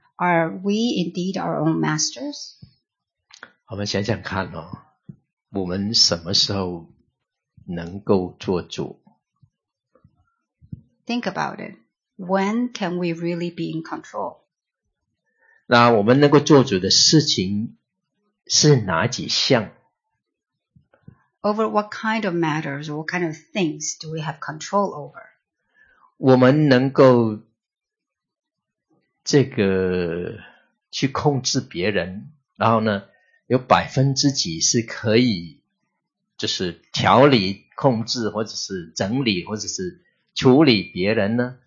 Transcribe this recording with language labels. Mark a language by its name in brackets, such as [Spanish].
[English] Are we indeed our own masters? [Chinese] 我们想想看哦，我们什么时候能够做主？ [English] Think about it. When can we really be in control? [Chinese] 那我们能够做主的事情是哪几项？ [English] Over what kind of matters or what kind of things do we have control over? [Chinese] 我们能够这个去控制别人，然后呢，有百分之几是可以就是调理、控制或者是整理或者是处理别人呢？